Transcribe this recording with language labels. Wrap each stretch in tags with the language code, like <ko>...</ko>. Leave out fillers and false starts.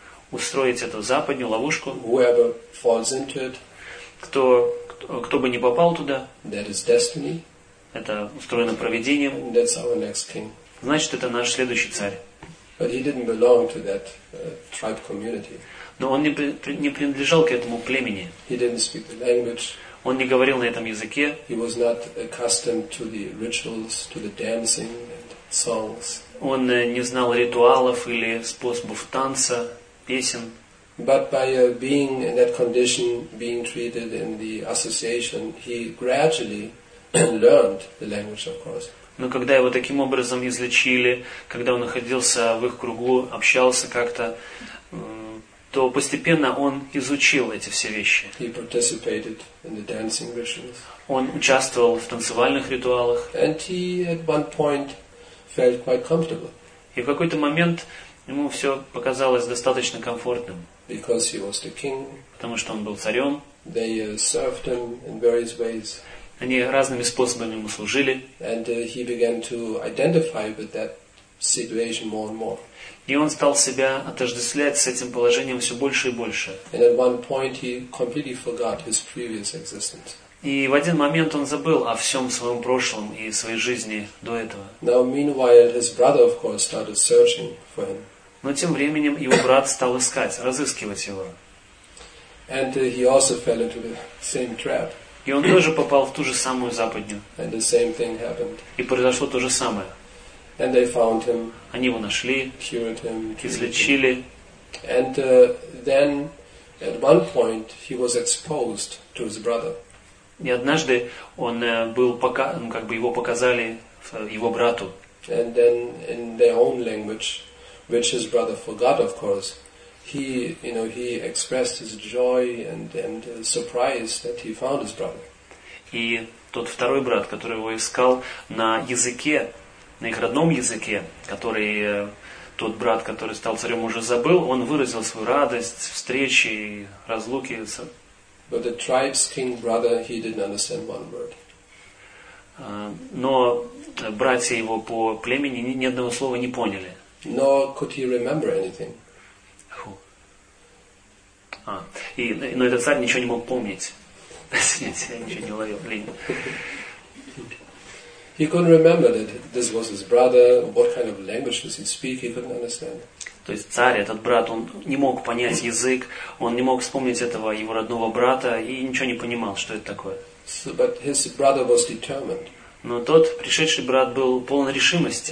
<ru>Устроить эту западню ловушку.</ru> <en>Whoever falls into it,</en> <ru>кто бы не попал туда,</ru> <en>that is destiny,</en> <ru>это устроено провидением.</ru> <en>And that's our next king.</en> <ru>Значит, это наш следующий царь.</ru> <en>But he didn't belong to that, tribe community.</en> <ru>Но он не принадлежал к этому племени.</ru> <en>He didn't speak the language.</en> <ru>Он не говорил на этом языке.</ru> <en>He was not accustomed to the rituals, to the dancing and songs.</en> <ru>Он не знал ритуалов или способов танца. Песен.</ru> <en>But by being in that condition, being treated in the association, he gradually learned the language, of course.</en> <ru>Но когда его таким образом излечили, когда он находился в их кругу, общался как-то, то постепенно он изучил эти все вещи.</ru> <en>He participated in the dancing rituals.</en> <ru>Он участвовал в танцевальных ритуалах.</ru> <en>And he at one point felt quite comfortable.</en> <ru>И в какой-то момент ему все показалось достаточно комфортным.</ru> <en>Because he was the king.</en> <ru>Потому что он был царем.</ru> <en>They served him in various ways.</en> <ru>Они разными способами ему служили.</ru> <en>And he began to identify with that situation more and more.</en> <ru>И он стал себя отождествлять с этим положением все больше и больше.</ru> <en>And at one point he completely forgot his previous existence.</en> <ru>И в один момент он забыл о всем своем прошлом и своей жизни до этого.</ru> <en>Now, meanwhile, his brother, of course, started searching for him.</en> <ru>Но тем временем его брат стал искать, разыскивать его.</ru> <en>And he also fell into the same trap.</en> <ru>И он тоже попал в ту же самую западню.</ru> <en>And the same thing happened.</en> <ru>И произошло то же самое.</ru> <en>And they found him.</en> <ru>Они его нашли.</ru> <en>Cured him.</en> <ru>Излечили.</ru> <en>And then, at one point, he was exposed to his brother.</en> <ru>И однажды он был пока, ну как бы его показали его брату.</ru> <en>And then, in their own language, which his brother forgot, of course. He, you know, he expressed his joy and surprise that he found his brother.</en> <ru>И тот второй брат, который его искал на языке, на их родном языке, который тот брат, который стал царем, уже забыл, он выразил свою радость встречи и разлуки.</ru> <en>But the tribe's king brother, he didn't understand one word.</en> <ru>Но братья его по племени ни одного слова не поняли.</ru> <en>Nor could he remember anything.</en> <ru>Но этот царь ничего не мог помнить. Нет, я ничего не ловил. Блин.</ru> <en>He couldn't remember that this was his brother. What kind of language does he speak? He couldn't understand.</en> <ru>То есть царь, этот брат, он не мог понять язык. Он не мог вспомнить этого его родного брата и ничего не понимал, что это такое.</ru> <en>So, but his brother was determined.</en> <ru>Но тот пришедший брат был полон решимости.</ru>